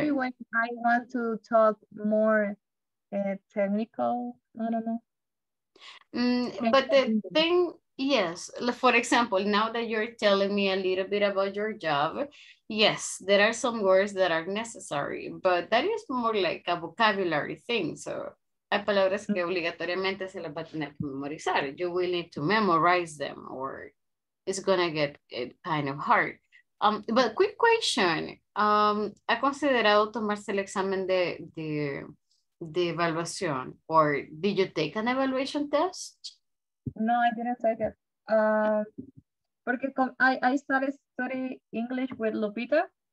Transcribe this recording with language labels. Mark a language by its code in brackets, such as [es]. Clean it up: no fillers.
[en] Maybe when I want to talk more technical, I don't know. But the thing... yes, for example, now that you're telling me a little bit about your job, yes, there are some words that are necessary, but that is more like a vocabulary thing. [es] So, hay palabras que obligatoriamente se las va a tener que memorizar. [en] You will need to memorize them or it's going to get kind of hard. But quick question. [es] ¿Ha considerado tomarse el examen de evaluación? [en] Or did you take an evaluation test? No, I didn't take it. [es] Porque [en] I started study English with Lupita.